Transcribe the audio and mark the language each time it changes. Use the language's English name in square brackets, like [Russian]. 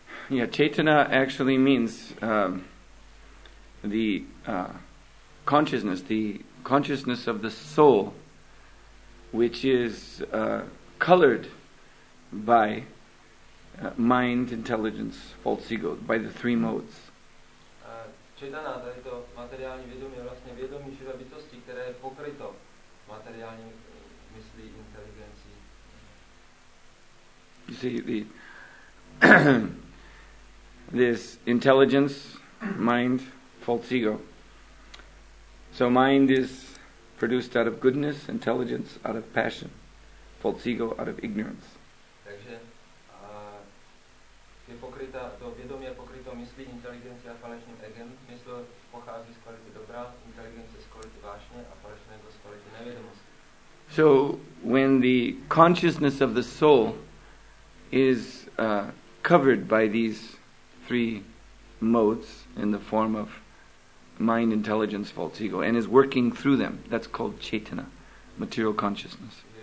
[English] Yeah, Chaitana actually means the consciousness of the soul, which is colored by mind, intelligence, false ego, by the three modes. [Czech] Čitaná, tady to materiální vědomí, vlastně vědomí živé bytosti, které je pokryto materiální myslí, inteligencí. [English] You see, the this intelligence, mind, false ego. So mind is produced out of goodness, intelligence out of passion, false ego out of ignorance. [Czech] Takže je pokryta, to vědomí je pokryto myslí, inteligencí a falešným egem. Mysl pochází z kvality dobra, inteligence z kvality vášně a falešné z kvality nevědomosti. [English] So when the consciousness of the soul is covered by these three modes in the form of mind, intelligence, false ego, and is working through them, that's called chetana, material consciousness.